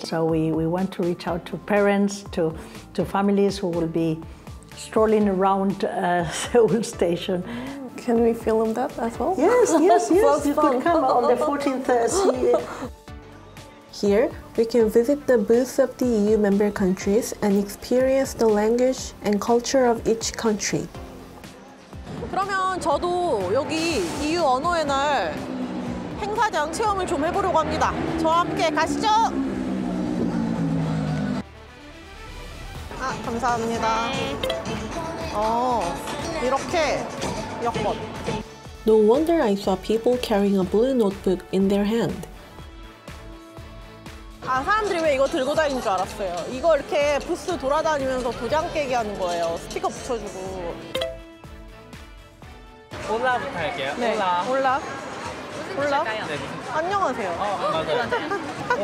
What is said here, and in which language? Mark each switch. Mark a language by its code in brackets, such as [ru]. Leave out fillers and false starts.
[en] So we want to reach out to parents, to families who will be strolling around Seoul Station. Can we film that as well? Yes, you could come on the 14th. Here, we can visit the booths of the EU member countries and experience the language and culture of each country. [ko] 그러면 저도 여기 EU 언어의 날 행사장 체험을 좀 해보려고 합니다. 저와 함께 가시죠! 아, 감사합니다. 이렇게 여권. [en] No wonder I saw people carrying a blue notebook in their hand. [ko] 아, 사람들이 왜 이거 들고 다니는 줄 알았어요. 이거 이렇게 부스 돌아다니면서 도장 깨기 하는 거예요. 스티커 붙여주고. 올라부터 할게요. 네. 올라. 올라. 올라. 네. 안녕하세요. 맞아요.